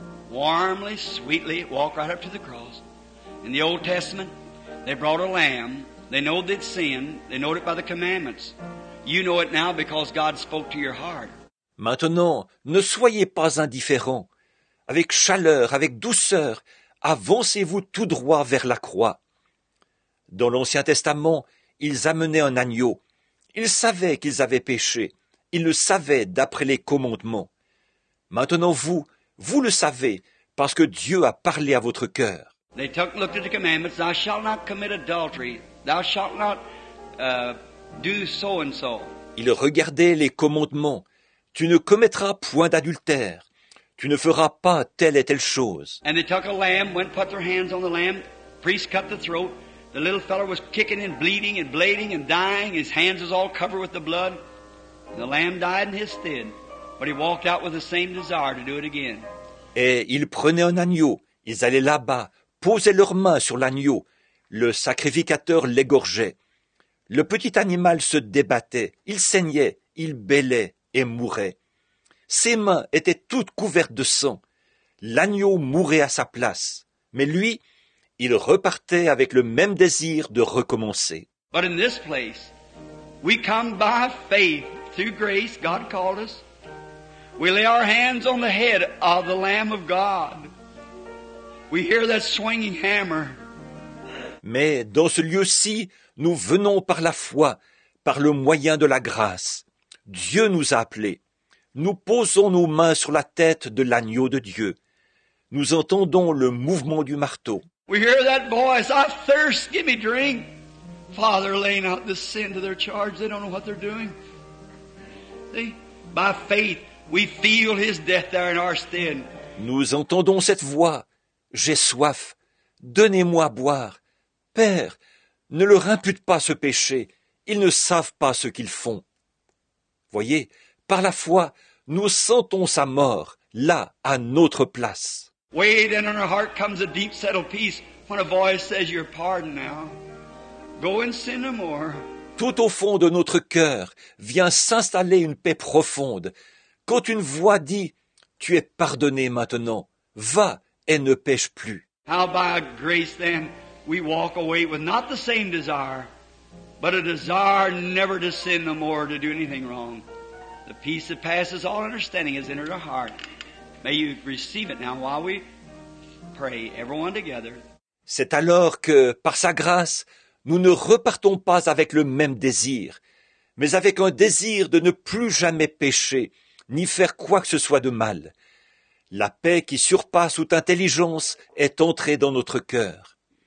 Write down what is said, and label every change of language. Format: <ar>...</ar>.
<en>Warmly, sweetly, walk right up to the cross. In the Old Testament, they brought a lamb. They knowed they'd sin. They knowed it by the commandments. You know it now because God spoke to your heart.</en> <fr>Maintenant, ne soyez pas indifférent. Avec chaleur, avec douceur, avancez-vous tout droit vers la croix. Dans l'Ancien Testament, ils amenaient un agneau. Ils savaient qu'ils avaient péché. Ils le savaient d'après les commandements. Maintenant, vous le savez, parce que Dieu a parlé à votre cœur.</fr> <en>They took looked at the commandments. Thou shalt not commit adultery. Thou shalt not do so and so.</en> <fr>Ils regardaient les commandements. Tu ne commettras point d'adultère. Tu ne feras pas telle et telle chose.</fr> <en>And they took a lamb, went and put their hands on the lamb. Priest cut the throat. The little fellow was kicking and bleeding and bleeding and dying. His hands was all covered with the blood. And the lamb died in his stead. But he walked out with the same desire to do it again.</en> <fr>Et ils prenaient un agneau. Ils allaient là-bas. Posaient leurs mains sur l'agneau. Le sacrificateur l'égorgeait. Le petit animal se débattait. Il saignait. Il bêlait et mourait. Ses mains étaient toutes couvertes de sang. L'agneau mourait à sa place. Mais lui, il repartait avec le même désir de recommencer.</fr> <en>But in this place, we come by faith, through grace, God called us. We lay our hands on the head of the Lamb of God. We hear that swinging hammer.</en> <fr>Mais dans ce lieu-ci, nous venons par la foi, par le moyen de la grâce. Dieu nous a appelés. Nous posons nos mains sur la tête de l'agneau de Dieu. Nous entendons le mouvement du marteau.</fr> <en>We hear that voice, I thirst, give me drink. Father, laying out this sin to their charge, they don't know what they're doing. they? By faith, we feel his death there in our stead.</en> <fr>Nous entendons cette voix. J'ai soif. Donnez-moi boire. Père, ne leur impute pas ce péché. Ils ne savent pas ce qu'ils font. Voyez, par la foi, nous sentons sa mort, là, à notre place.</fr> <en>Wait, and in our heart comes a deep, settled peace when a voice says, you're pardoned now. Go and sin no more.</en> <fr>Tout au fond de notre cœur vient s'installer une paix profonde. Quand une voix dit, tu es pardonné maintenant, va et ne pêche plus.</fr> <en>How by grace then we walk away with not the same desire, but a desire never to sin no more, to do anything wrong. The peace that passes all understanding has entered our heart. May you receive it now while we pray, everyone together.</en> <fr>C'est alors que, par sa grâce, nous ne repartons pas avec le même désir, mais avec un désir de ne plus jamais pécher, ni faire quoi que ce soit de mal. La paix qui surpasse toute intelligence est entrée dans notre cœur.</fr>